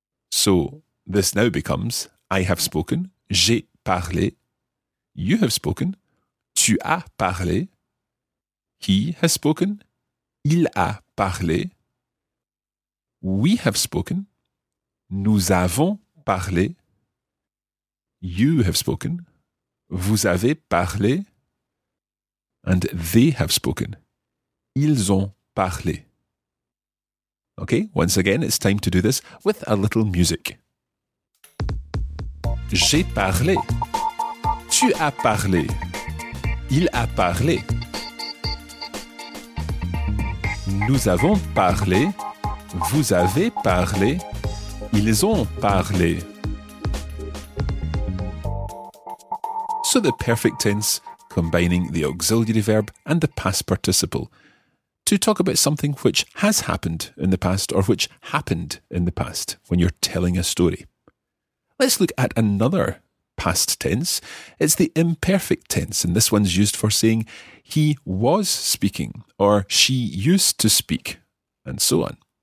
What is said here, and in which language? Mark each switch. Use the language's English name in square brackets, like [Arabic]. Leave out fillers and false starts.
[English] So this now becomes I have spoken, [French] j'ai parlé, [English] you have spoken, [French] tu as parlé, [English] he has spoken, [French] il a parlé, [English] we have spoken, [French] nous avons parlé, [English] you have spoken, [French] vous avez parlé, [English] and they have spoken, [French] ils ont parlé. [English] Okay, once again, it's time to do this with a little music. [French] J'ai parlé, tu as parlé, il a parlé, nous avons parlé, vous avez parlé, ils ont parlé. [English] So the perfect tense combining the auxiliary verb and the past participle to talk about something which has happened in the past or which happened in the past when you're telling a story. Let's look at another past tense. It's the imperfect tense, and this one's used for saying he was speaking or she used to speak, and so on.